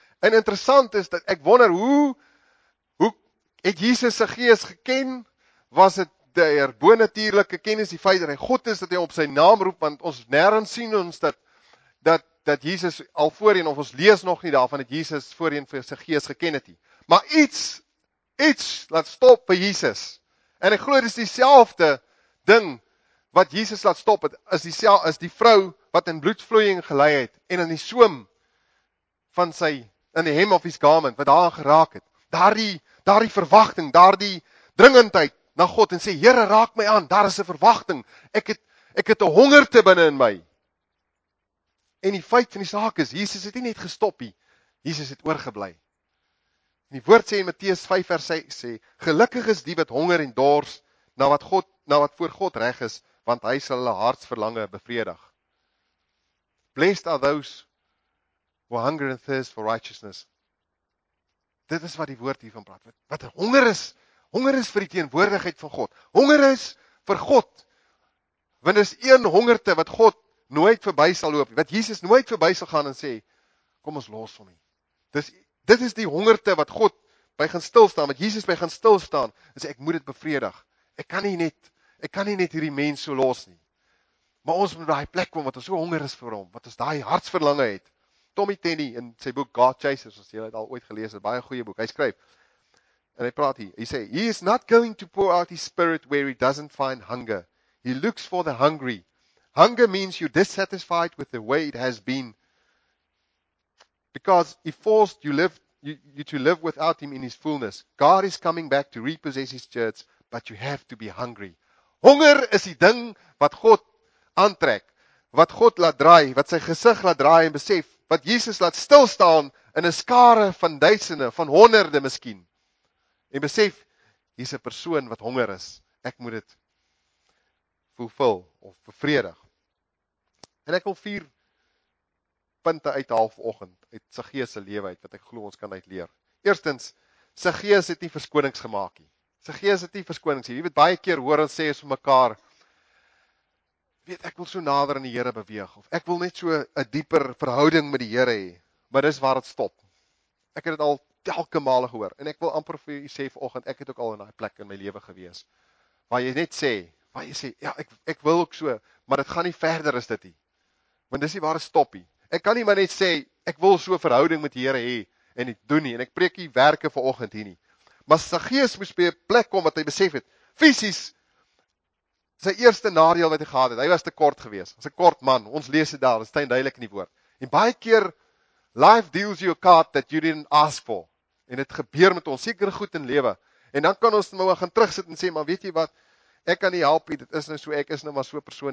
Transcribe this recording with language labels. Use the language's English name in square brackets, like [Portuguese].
[Afrikaans] En interessant is dat ek wonder hoe het Jesus Saggeus geken? Was dit deur bonatuurlike kennis, die feit dat hy God is, dat hy op sy naam roep? Want ons nêrens sien ons dat Jesus al voorheen, of ons lees nog nie daarvan dat Jesus voorheen vir Saggeus geken het nie. Maar iets laat stop by Jesus. En ek glo dis dieselfde ding wat Jesus laat stop het, is die vrou wat in bloedvloeiing gelei het en in die soem van sy in die [English] hem of his garment [Afrikaans] wat haar geraak het. Daardie verwagting, daardie dringendheid na God en sê Here, raak my aan. Daar is 'n verwagting. Ek het 'n hongerte binne in my. En die feit van die saak is Jesus het nie net gestop nie. Jesus het oorgebly. Die woord sê in Matteus 5 vers 6 sê gelukkig is die wat honger en dors na wat voor God reg is, want hy sal hulle hartsverlange bevredig. [English] Blessed are those who hunger and thirst for righteousness. [Afrikaans] Dit is wat die woord hiervan praat. Wat honger is vir die teenwoordigheid van God. Honger is vir God. Want dis een hongerte wat God nooit verby sal loop, wat Jesus nooit verby sal gaan en sê kom ons los hom nie. Dit is die hongerte wat God by gaan stil staan, wat Jesus by gaan stil staan en sê ek moet dit bevredig. Ek kan nie net hierdie mens so los nie. Maar ons moet daai plek kom wat ons so honger is vir hom, wat ons daai hartsverlange het. Tommy Tenney in sy boek God Chasers, as jy dit al ooit gelees het, baie goeie boek. Hy skryf en hy praat hier. Hy sê [English] he is not going to pour out his spirit where he doesn't find hunger. He looks for the hungry. Hunger means you're dissatisfied with the way it has been. Because he forced you to live without him in his fullness. God is coming back to repossess his church, but you have to be hungry. [Afrikaans] Honger is die ding wat God aantrek, wat God laat draai, wat sy gesig laat draai en besef, wat Jesus laat stil staan in 'n skare van duisende, van honderde miskien. En besef, hier's 'n persoon wat honger is. Ek moet dit vervul of bevredig. En ek wil 4 punte uithaal vanoggend uit Saggeus se lewe uit wat ek glo ons kan uitleer. Eerstens, Saggeus het nie verskonings gemaak nie. Saggeus het nie verskonings nie. Jy weet baie keer hoor ons sê is vir mekaar, weet ek wil so nader aan die Here beweeg of ek wil net so 'n dieper verhouding met die Here hê, maar dis waar dit stop. Ek het dit al telke male gehoor en ek wil amper vir u sê vanoggend, ek het ook al in daai plek in my lewe gewees waar jy net sê, waar jy sê ja, ek wil ook so, maar dit gaan nie verder as dit nie. Want dis nie waar dit stop nie. Ek kan nie maar net sê ek wil so 'n verhouding met die Here hê en dit doen nie en ek preek hier werke vanoggend hier nie. Maar Saggeus moes by 'n plek kom wat hy besef het. Fisies sy eerste nadeel wat hy gehad het. Hy was te kort geweest. Hy's 'n kort man. Ons lees dit daar, dit staan duidelik in die woord. En baie keer [English] life deals you a card that you didn't ask for. [Afrikaans] En dit gebeur met ons sekere goed in lewe. En dan kan ons nou gaan terugsit en sê, maar weet jy wat? Ek kan nie help nie. Dit is nou so, ek is nou maar so 'n persoon.